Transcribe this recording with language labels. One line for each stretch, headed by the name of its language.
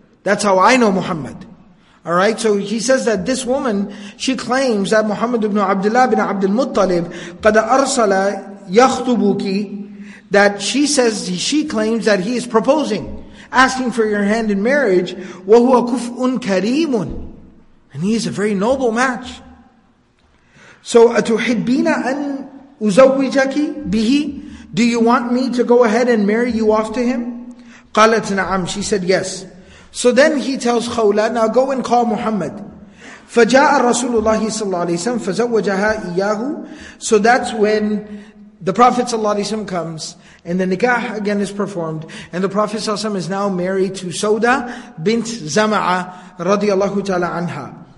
English: That's how I know Muhammad. All right, so he says that this woman, she claims that Muhammad ibn Abdullah bin Abdul Muttalib
Arabic: qad arsala yakhtubuki,
English: that she says, she claims that he is proposing, asking for your hand in marriage.
Arabic: وَهُوَ كُفْءٌ كَرِيمٌ.
English: And he is a very noble match.
Arabic: So, أَتُحِبِّينَ أَنْ أُزَوِّجَكِ بِهِ.
English: Do you want me to go ahead and marry you off to him?
Arabic: قَالَتْ نَعَمْ.
English: She said, yes. So then he tells Khawla, now go and call Muhammad.
Arabic: فَجَاءَ رَسُولُ اللَّهِ صَلَّى اللَّهِ عَلَيْهِ وَسَلَّمَ فَزَوَّجَهَا إِيَّاهُ.
English: So that's when the Prophet ﷺ comes, and the nikah again is performed, and the Prophet ﷺ is now married to Sauda bint Zama'a radiallahu ta'ala anha.